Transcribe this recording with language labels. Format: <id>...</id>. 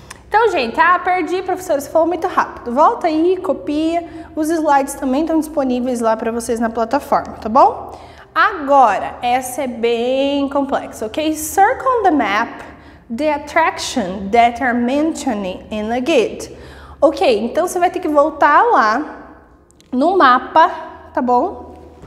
<pt>Então, gente, ah, perdi, professora, você falou muito rápido. Volta aí, copia. Os slides também estão disponíveis lá para vocês na plataforma, tá bom? Agora, essa é bem complexa, ok?</pt> <en>Circle on the map the attraction that are mentioned in the guide.</en> <pt>Ok, então você vai ter que voltar lá no mapa, tá bom?</pt>